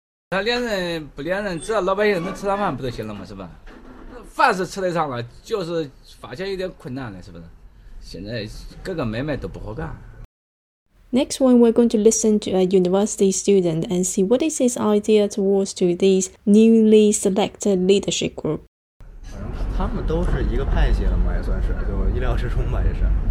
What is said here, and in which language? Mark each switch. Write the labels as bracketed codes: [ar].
[zh] 他连人不连人，只要老百姓能吃上饭不就行了吗？是吧？饭是吃得上了，就是发现有点困难了，是不是？现在各个买卖都不好干。 [en] Next one, we're going to listen to a university student and see what is his idea towards to this newly selected leadership group. [zh] 他们都是一个派系了嘛，也算是就意料之中吧，也是。